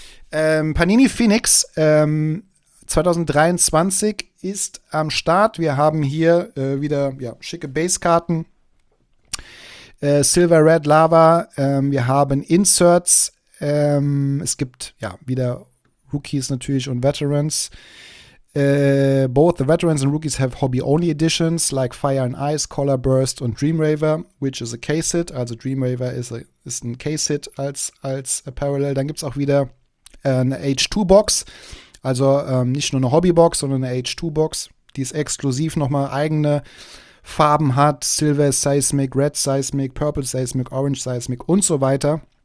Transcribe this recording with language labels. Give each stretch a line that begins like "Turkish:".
German: Panini Phoenix 2023 ist am Start. Wir haben hier wieder ja, schicke Basekarten. Silver Red Lava, wir haben Inserts, es gibt ja wieder Rookies natürlich und Veterans.
English: Both the Veterans and Rookies have Hobby-Only Editions, like Fire and Ice, Color Burst und Dream Raver, which is a Case-Hit.
German: Also Dream Raver ist ein Case-Hit als Parallel. Dann gibt es auch wieder eine H2-Box, also nicht nur eine Hobby-Box, sondern eine H2-Box, die ist exklusiv nochmal eigene Farben hat, Silver Seismic, Red Seismic, Purple Seismic, Orange Seismic und so weiter.